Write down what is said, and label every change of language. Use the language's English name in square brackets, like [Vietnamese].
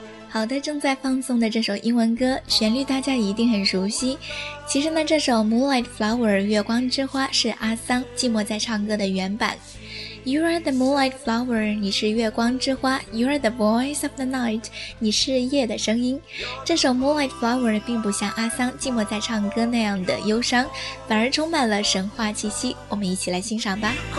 [Chinese] 好的，正在放送的这首英文歌旋律大家一定很熟悉。其实呢，这首 Moonlight Flower 月光之花是阿桑寂寞在唱歌的原版。 [English] You are the moonlight flower， [Chinese] 你是月光之花。 [English] You are the voice of the night， [Chinese] 你是夜的声音。这首 Moonlight Flower 并不像阿桑寂寞在唱歌那样的忧伤，反而充满了神话气息。我们一起来欣赏吧。